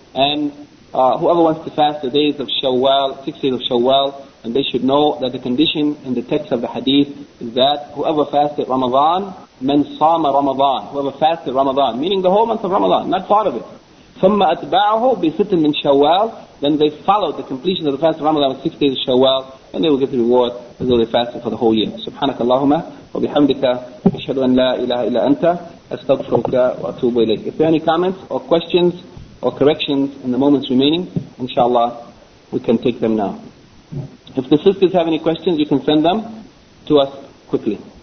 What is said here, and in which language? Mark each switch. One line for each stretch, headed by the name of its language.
English: And whoever wants to fast the days of Shawwal, 6 days of Shawwal, and they should know that the condition in the text of the hadith is that whoever fasted Ramadan,
Arabic: من صام رمضان,
English: whoever fasted Ramadan, meaning the whole month of Ramadan, not part of it.
Arabic: ثم أتبعه بستن من شوال,
English: then they followed the completion of the fast of Ramadan with 6 days of Shawwal, and they will get the reward as though they fasted for the whole year.
Arabic: سبحانك اللهم وبحمدك أشهد أن لا إله إلا أنت أستغفرك وأتوب إليك.
English: If there are any comments or questions or corrections in the moments remaining, inshallah, we can take them now. If the sisters have any questions, you can send them to us quickly.